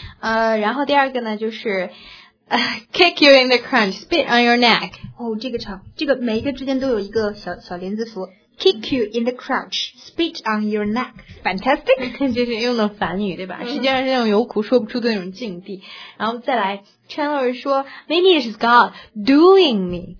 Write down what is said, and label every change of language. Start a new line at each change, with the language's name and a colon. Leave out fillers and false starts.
Chinese: 然后第二个呢就是
English: kick you in the crunch, spit on your neck.
Chinese: 这个长，这个每一个之间都有一个小小连字符。
English: Kick you in the crunch, spit on your neck. Fantastic.
Chinese: 就是用的反语，对吧？实际上是那种有苦说不出的那种境地。然后再来
English: ，Chandler 说 ，Maybe it's God doing me.